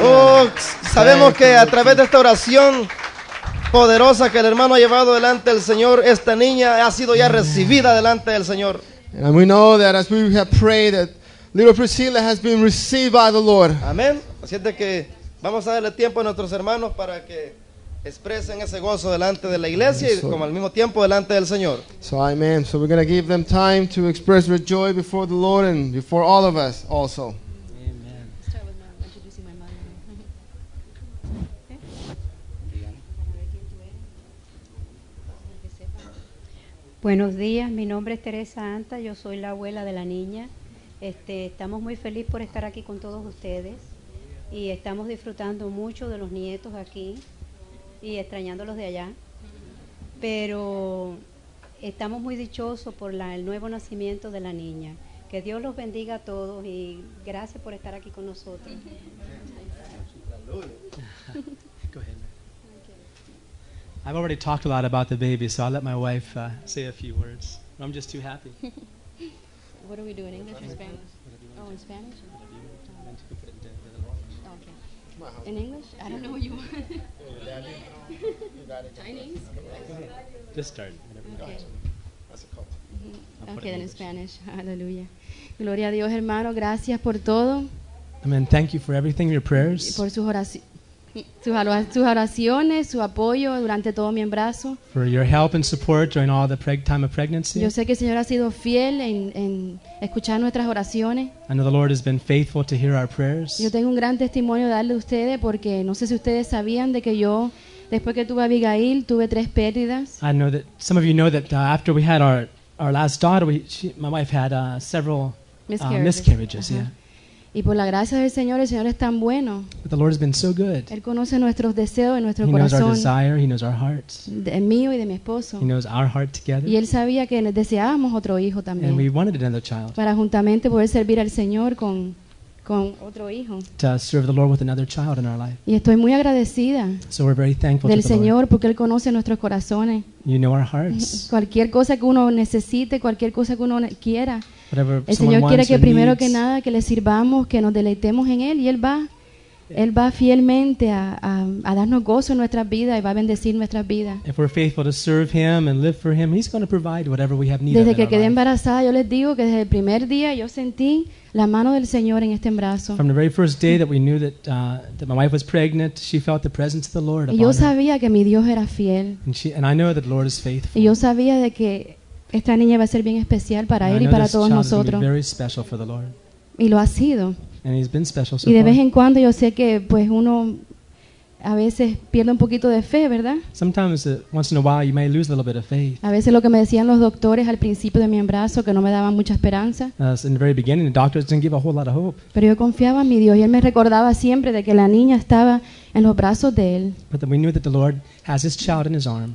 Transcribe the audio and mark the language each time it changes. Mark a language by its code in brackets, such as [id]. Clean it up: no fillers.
[es] Oh, sabemos que a través de esta oración poderosa que el hermano ha llevado delante del Señor, esta niña ha sido ya recibida delante del Señor. [en] And we know that as we have prayed that little Priscilla has been received by the Lord. [es] Amén. Así es de que vamos a darle tiempo a nuestros hermanos para que expresen ese gozo delante de la iglesia y como al mismo tiempo delante del Señor. [en] So, amen. So, we're going to give them time to express their joy before the Lord and before all of us also. Amen. [es] Buenos días, mi nombre es Teresa Anta, yo soy la abuela de la niña. Estamos muy felices por estar aquí con todos ustedes y estamos disfrutando mucho de los nietos aquí y extrañándolos de allá. Pero estamos muy dichosos por el nuevo nacimiento de la niña. Que Dios los bendiga a todos y gracias por estar aquí con nosotros. [en] I've already talked a lot about the baby, so I'll let my wife say a few words. I'm just too happy. What are we doing, English or Spanish? Oh, in Spanish? Okay. In English? I don't know what you want. Chinese? Just start. That's a cult. Okay, then in Spanish. Hallelujah. [es] Gloria a Dios, hermano. Gracias por todo. [en] Amen. Thank you for everything, your prayers. [es] Por sus oraciones. Sus oraciones, su apoyo durante todo mi embarazo. [en] For your help and support during all the time of pregnancy. [es] Yo sé que el Señor ha sido fiel en escuchar nuestras oraciones. [en] I know the Lord has been faithful to hear our prayers. [es] Yo tengo un gran testimonio de darle a ustedes porque no sé si ustedes sabían de que yo después que tuve a Abigail tuve tres pérdidas. [en] I know that some of you know that after we had our last daughter, my wife had several miscarriages. Uh-huh. Yeah. [es] Y por la gracia del Señor, el Señor es tan bueno. [en] But the Lord has been so good. [es] Él conoce nuestros deseos y nuestro [en] he [es] corazón. [en] He knows our desire, he knows our hearts. [es] De mío y de mi esposo. [en] He knows our heart together. [es] Y él sabía que deseábamos otro hijo también. [en] And we wanted another child. [es] Para juntamente poder servir al Señor con otro hijo. [en] To serve the Lord with another child in our life. [es] Y estoy muy agradecida. [en] So we're very thankful [es] del [en] to [es] Señor [en] Lord. [es] Porque él conoce nuestros corazones. [en] You know our hearts. [es] Cualquier cosa que uno necesite, cualquier cosa que uno quiera. El Señor quiere que primero que nada que le sirvamos, que nos deleitemos en Él y Él va fielmente a darnos gozo en nuestras vidas y va a bendecir nuestras vidas. [en] If we're faithful to serve Him and live for Him, He's going to provide whatever we have need of. [es] Desde que quedé embarazada, yo les digo que desde el primer día yo sentí la mano del Señor en este embarazo. [en] From the very first day that we knew that that my wife was pregnant, she felt the presence of the Lord. [es] Y yo sabía que mi Dios era fiel. [en] And I know that the Lord is faithful. [es] Y yo sabía de que esta niña va a ser bien especial para él y para todos nosotros. [en] Very special for the Lord. [es] Y lo ha sido. [en] And he's been special so [es] y de vez en cuando yo sé que pues uno a veces pierde un poquito de fe, ¿verdad? [en] Sometimes once in a while you may lose a little bit of faith. [es] A veces lo que me decían los doctores al principio de mi embarazo que no me daban mucha esperanza. [en] In the very beginning the doctors didn't give a whole lot of hope. [es] Pero yo confiaba en mi Dios y él me recordaba siempre de que la niña estaba en los brazos de él. [en] But then we knew that the Lord has his child in his arms.